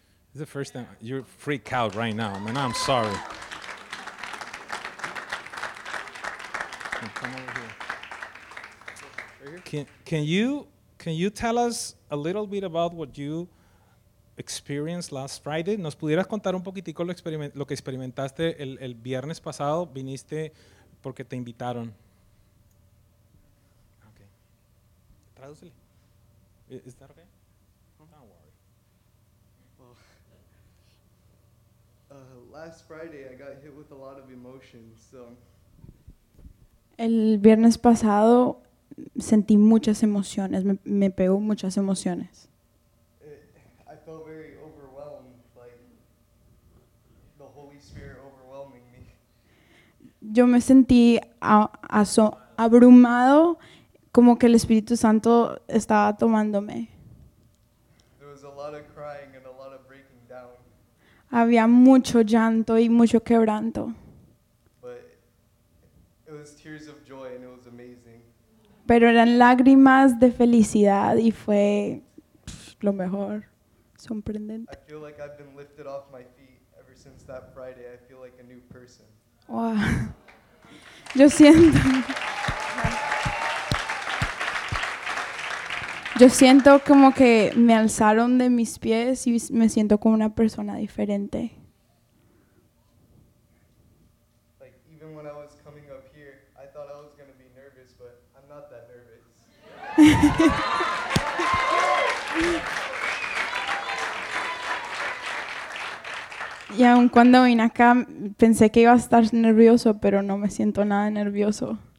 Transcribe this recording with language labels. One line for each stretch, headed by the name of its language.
English: It's the first time. You're freaked out right now, man. I'm sorry. Come over here. Can you tell us a little bit about what you experienced last Friday?
Spanish: ¿Nos pudieras contar un poquitico lo que experimentaste el viernes pasado? Viniste porque te invitaron.
English: Is that okay? Don't worry. Last Friday I got hit with a lot of emotions, so.
Spanish: El viernes pasado sentí muchas emociones, me pegó muchas emociones.
English: I felt very overwhelmed, like the Holy Spirit overwhelming me.
Spanish: Yo me sentí abrumado. Como que el Espíritu Santo estaba tomándome.
English: There was a lot of crying and a lot of breaking down.
Spanish: Había mucho llanto y mucho quebranto.
English: But it was tears of joy and it was amazing.
Spanish: Pero eran lágrimas de felicidad y fue lo mejor. Sorprendente.
English: I feel like I've been lifted off my feet ever since that Friday. I feel like a new person.
Spanish: Wow. Yo siento. Yo siento como que me alzaron de mis pies y me siento como una persona diferente.
English: Like even when I was coming up here, I thought I was going to be nervous, but I'm not that nervous.
Spanish: Y aun cuando vine acá, pensé que iba a estar nervioso, pero no me siento nada nervioso.